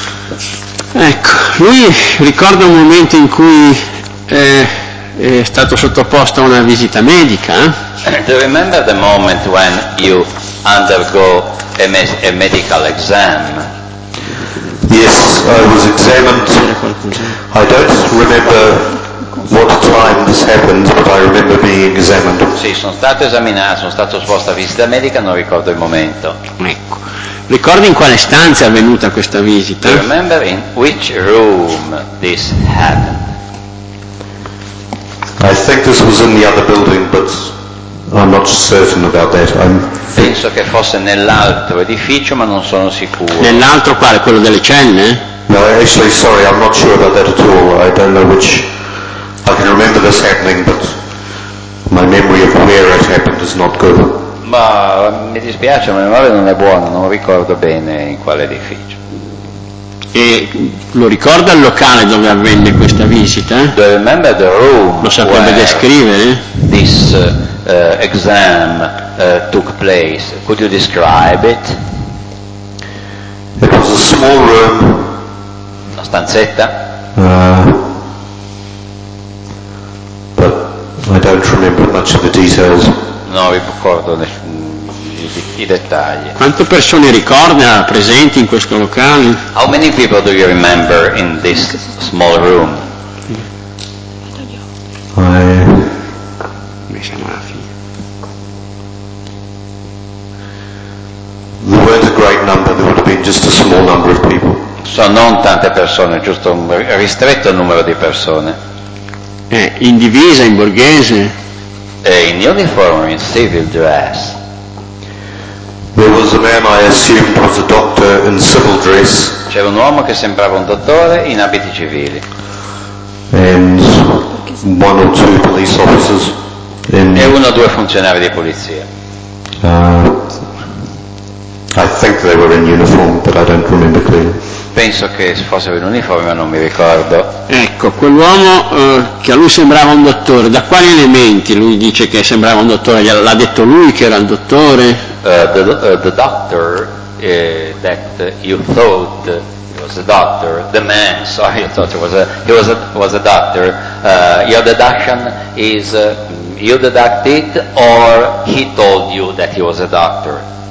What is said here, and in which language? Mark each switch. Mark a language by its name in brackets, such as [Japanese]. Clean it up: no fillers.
[Italian] Ecco, lui ricorda un momento in cui è stato sottoposto a una visita medica. [English] Do you remember the moment when you undergo a medical exam? Yes, I was examined. I don't remember what time this happened, but I remember being examined. [Italian] Sì, sono stato esaminato, sono stato esposto a visita medica, non ricordo il momento. Ecco. Ricordi in quale stanza è avvenuta questa visita? [English] Do you remember in which room this happened? I think this was in the other building, but I'm not certain about that. [Italian] Penso che fosse nell'altro edificio, ma non sono sicuro. Nell'altro quale? Quello delle celle? [English] No, actually, sorry, I'm not sure about that at all. I don't know which. I can remember this happening, but my memory of where it happened is not good. [Italian] Ma mi dispiace, ma la memoria non è buona, non ricordo bene in quale edificio. E lo ricorda il locale dove avvenne questa visita? [English] Do you remember the room? [Italian] Lo saprebbe descrivere? [English] This exam took place. Could you describe it? It was a small room. [Italian] Una stanzetta. [English] But I don't remember much of the details. [Italian] No, mi ricordo i dettagli. Quante persone ricorda presenti in questo locale? [English] How many people do you remember in this small room? There weren't a great number. There would have been just a small number of people. [Italian] So non tante persone, giusto un ristretto numero di persone. In divisa, in borghese. [English] In uniform, in civil dress. There was a man I assumed was a doctor in civil dress. [Italian] C'era un uomo che sembrava un dottore in abiti civili. [English] And one or two police officers. [Italian] E uno o due funzionari di polizia. [English] I think they were in uniform, but I don't remember clearly. [Italian] Penso che fossero in uniforme, ma non mi ricordo. Ecco, quell'uomo che a lui sembrava un dottore, da quali elementi lui dice che sembrava un dottore? L'ha detto lui che era il dottore? [English] The doctor that you thought was a doctor, the man, sorry, you thought he was a doctor. Your deduction is you deducted or he told you that he was a doctor?